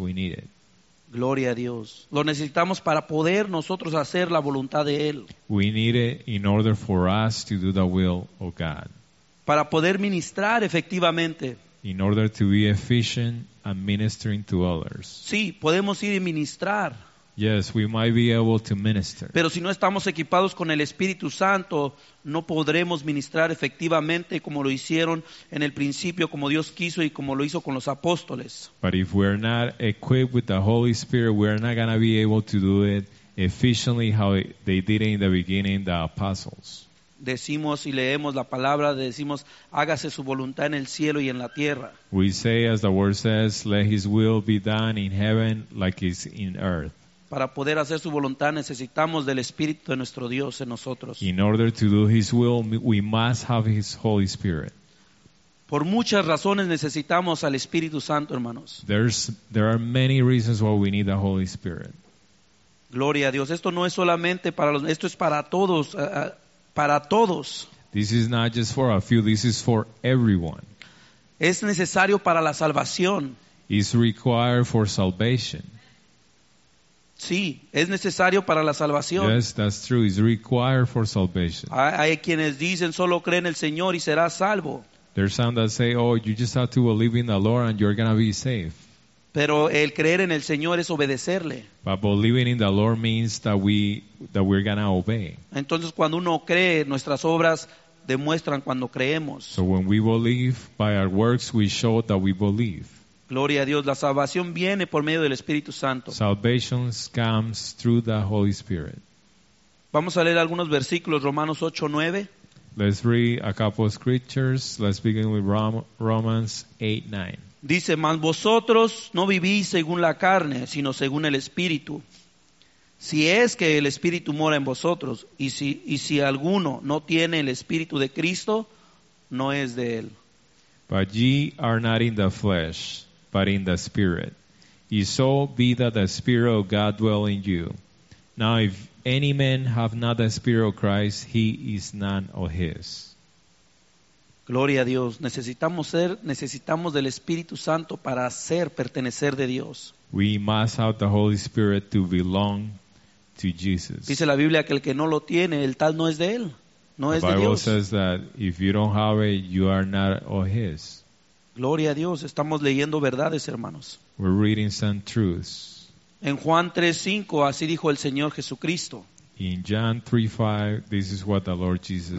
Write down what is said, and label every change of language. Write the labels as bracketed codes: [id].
[en] We need it. [es] Gloria a Dios. Lo necesitamos para poder nosotros hacer la voluntad de Él. [en] We need it in order for us to do the will of God. [es] Para poder ministrar efectivamente. [en] In order to be efficient and ministering to others. [es] Sí, podemos ir y ministrar. [en] Yes, we might be able to minister. [es] Pero si no estamos equipados con el Espíritu Santo, no podremos ministrar efectivamente como lo hicieron en el principio, como Dios quiso y como lo hizo con los apóstoles. [en] But if we're not equipped with the Holy Spirit, we're not going to be able to do it efficiently how they did it in the beginning, the apostles. [es] Decimos y leemos la palabra, decimos, hágase su voluntad en el cielo y en la tierra. [en] We say, as the word says, let His will be done in heaven like it's in earth. [es] Para poder hacer su voluntad necesitamos del Espíritu de nuestro Dios en nosotros. [en] In order to do His will, we must have His Holy Spirit. [es] Por muchas razones necesitamos al Espíritu Santo, hermanos. [en] There are many reasons why we need the Holy Spirit. [es] Gloria a Dios. Esto no es solamente para los. Esto es para todos. Para todos. [en] This is not just for a few. This is for everyone. [es] Es necesario para la salvación. [en] It's required for salvation. [es] Sí, es necesario para la salvación. [en] Yes, that's true. It's required for salvation. [es] Hay quienes dicen solo creen en el Señor y serás salvo. [en] There's some that say, oh, you just have to believe in the Lord and you're going to be safe. [es] Pero el creer en el Señor es obedecerle. [en] But believing in the Lord means that we're going to obey. [es] Entonces, cuando uno cree, nuestras obras demuestran cuando creemos. [en] So when we believe, by our works we show that we believe. [es] Gloria a Dios, la salvación viene por medio del Espíritu Santo. [en] Salvation comes through the Holy Spirit. [es] Vamos a leer algunos versículos, Romanos 8:9. [en] Let's read a couple of scriptures. Let's begin with Romans 8:9. [es] Dice, mas vosotros no vivís según la carne, sino según el Espíritu. Si es que el Espíritu mora en vosotros, y si alguno no tiene el Espíritu de Cristo, no es de él. [en] But ye are not in the flesh, but in the Spirit. If so be that the Spirit of God dwell in you. Now if any man have not the Spirit of Christ, he is none of his. [es] Gloria a Dios. Necesitamos del Espíritu Santo para ser, pertenecer de Dios. [en] We must have the Holy Spirit to belong to Jesus. [es] Dice la Biblia que el que no lo tiene, el tal no es de él. No es de Dios. [en] The Bible says that if you don't have it, you are not of his. [es] Gloria a Dios. Estamos leyendo verdades, hermanos. [en] We're reading some truths. [es] En Juan 3:5, así dijo el Señor Jesucristo. [en] In John 3:5, this is what the Lord Jesus said.